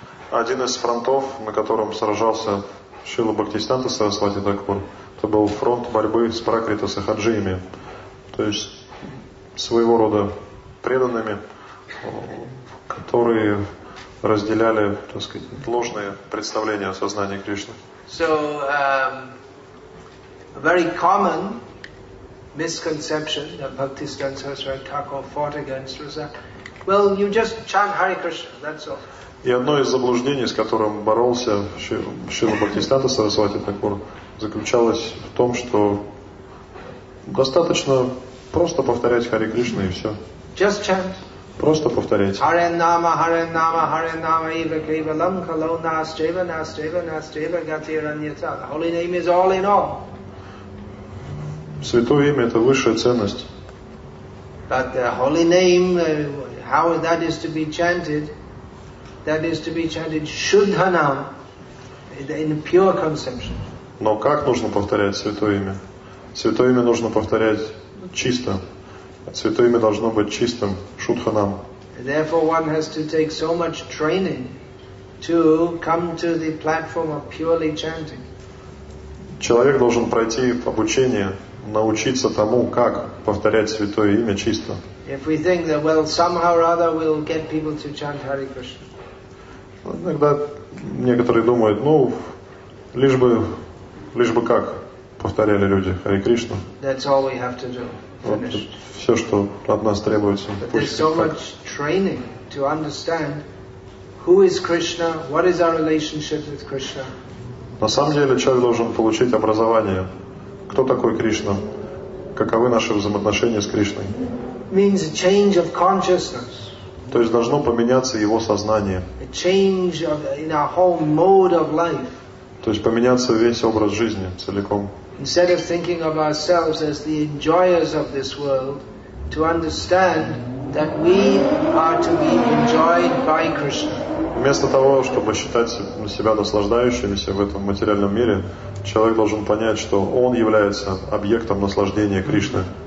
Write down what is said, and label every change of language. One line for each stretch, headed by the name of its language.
Russian: Один из фронтов, на котором сражался Шрила Бхактисиддханта Сарасвати Такур, это был фронт борьбы с Пракрита Сахаджиями, то есть своего рода преданными, которые разделяли, так сказать, ложные представления о сознании Кришны.
English: So, a very common misconception that Bhaktisiddhanta Saraswati Thakur fought against was that, well, you just chant Hare Krishna, that's all.
Russian: И одно из заблуждений, с которым боролся Шрила Бхактисиддханта Сарасвати Такур, заключалось в том, что достаточно просто повторять Хари Кришна и все.
English: Just chant.
Russian: Просто повторять.
Sanskrit: Харе нама, харе нама, харе нама, ива кейва лам, кало нас, джейва нас, джейва нас, джейва гати раньяца.
English: The holy name is all in all.
Russian: Святое имя — это высшая ценность.
English: But the holy name, how that is to be chanted, that is to be chanted Shuddha Nam, in a pure conception.
Russian: Но как нужно повторять святое имя? Святое имя нужно повторять чисто. Святое имя должно быть чистым, Shuddha Nam.
English: Therefore one has to take so much training to come to the platform of purely chanting.
Russian: Человек должен пройти обучение, научиться тому, как повторять святое имя чисто.
English: If we think that, well, somehow or other we'll get people to chant Hare Krishna.
Russian: Иногда некоторые думают, ну, лишь бы как повторяли люди Hare Krishna.
English: That's all we have to do.
Russian: Все, что от нас требуется.
English: But there's so much training to understand who is Krishna, what is our relationship with Krishna.
Russian: На самом деле человек должен получить образование. Кто такой Кришна? Каковы наши взаимоотношения с Кришной?
English: Means a change of consciousness.
Russian: То есть должно поменяться его сознание.
English: A change of, in our whole mode of life.
Russian: То есть поменяться весь образ жизни целиком.
English: Instead of thinking of ourselves as the enjoyers of this world, to understand that we are to be enjoyed by Krishna.
Russian: Вместо того, чтобы считать себя наслаждающимися в этом материальном мире, человек должен понять, что он является объектом наслаждения Кришны.